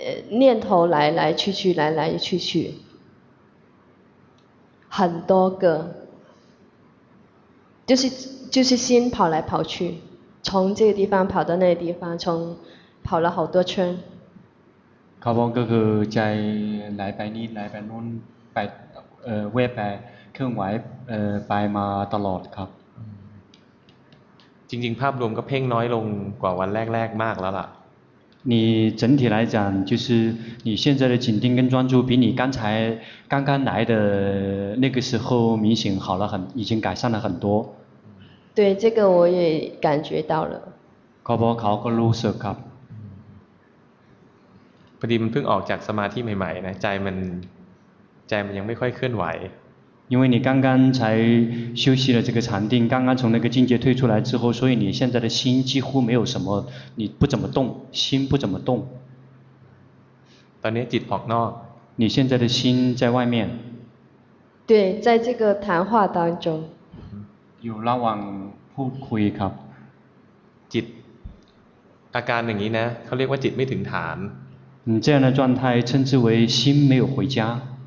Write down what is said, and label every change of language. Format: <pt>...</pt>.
<zh>念头来来去去来来去去很多个就是心跑来跑去从这个地方跑到那个地方从跑了好多圈</zh> <th>เขาบอกก็คือใจไหลไปนี้ไหลไปนู้นไปเว็บไปเครื่องไหวไปมาตลอดครับ จริงๆภาพรวมก็เพ่งน้อยลงกว่าวันแรกๆมากแล้วล่ะ</th> <zh>你整体来讲就是你现在的紧盯跟专注比你刚刚来的那个时候明显好了很已经改善了很多对这个我也感觉到了</zh> <th>ขอบอกเขาก็รู้สึกครับ พอดีมันเพิ่งออกจากสมาธิใหม่ๆนะใจมันยังไม่ค่อยเคลื่อนไหว</th> <zh>因为你刚刚才休息了这个禅定，刚刚从那个境界退出来之后，所以你现在的心几乎没有什么，你不怎么动，心不怎么动。</zh> <th>ตอนนี้จิตออกนอก，</th> <zh>你现在的心在外面。对，在这个谈话当中。</zh> <th>อยู่ระหว่างพูดคุยครับ。 จิตอาการอย่างนี้นะ，เขาเรียกว่าจิตไม่ถึงฐาน。</th> <zh>这样的状态称之为心没有回家。</zh>